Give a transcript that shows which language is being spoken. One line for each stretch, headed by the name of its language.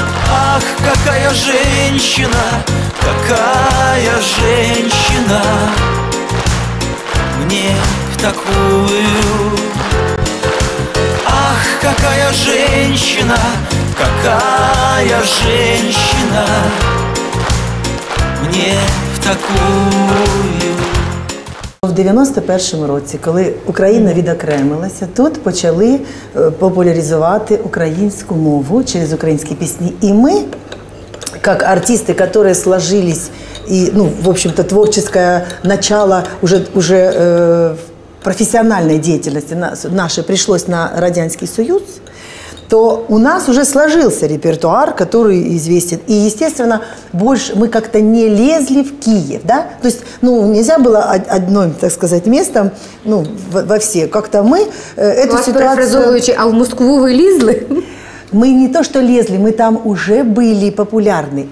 Russian: Ах, какая женщина, какая женщина мне в такую. Ах, какая женщина, какая женщина мне в такую.
Ukrainian: В 91-му році, коли Україна відокремилася, тут почали популяризувати українську мову через українські пісні. І ми, як артисти, які сложились, і, ну, в общем-то, творчеське начало вже професіональної діяльності наше прийшлось на Радянський Союз, то
Russian: у нас уже сложился репертуар, который известен. И, естественно, больше мы как-то не лезли в Киев, да? То есть, ну, нельзя было одним, так сказать, местом, ну, во все. Как-то мы эту ситуацию... А в Москву вы лезли? Мы не то что лезли, мы там уже были популярны.